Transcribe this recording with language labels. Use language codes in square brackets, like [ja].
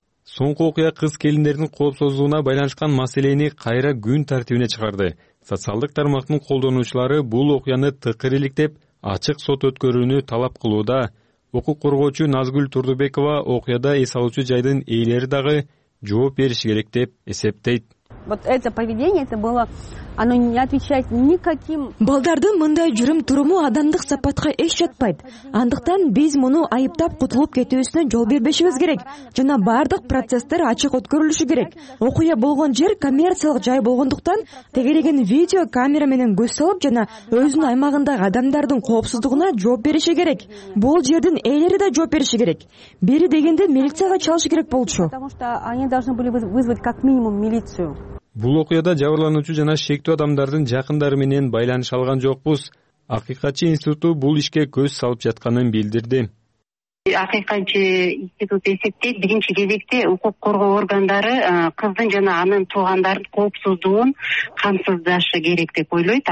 [ky] Соңку окуя кыз келиндердин коопсуздугуна байланышкан маселени кайра күн тартибине чыгарды. Социалдык тармактын колдонуучулары бул окуяны тыкыр иликтеп ачык сот өткөрүүнү талап кылууда. Укук коргоочу Назгүл Турдубекова окуяда эс алуучу жайдын ээлери дагы жооп бериши керек деп эсептейт. [ru] Вот это поведение, это было, оно не отвечает никаким. [ky] Балдардын мындай жүрүм туруму адамдык сапатка эч жатпайт. Андыктан биз муну айыптап кутулуп кетүүсүнө жол бербешибиз керек жана бардык процесстер ачык өткөрүлүшү керек. Окуя болгон жер коммерциялык жай болгондуктан тегереген видео камера менен көз салып жана өзүнүн аймагындагы адамдардын коопсуздугуна жооп бериши керек. Бул жердин ээлери да жооп бериши керек. Бери дегенде милицияга чалыш керек болчу. [ru] Потому что они должны были вызвать как минимум милицию. [ky] Бул окуяда жабырлануучу жана шектүү адамдардын жакындары менен байланыша алган жокпуз. Акыйкатчы институту бул ишке көз салып жатканын билдирди. Акыйкатчы институт эсептейт, биринчи кезекте укук коргоо органдары кыздын жана анын туугандарын коопсуздугун камсыздашы керек деп ойлойт.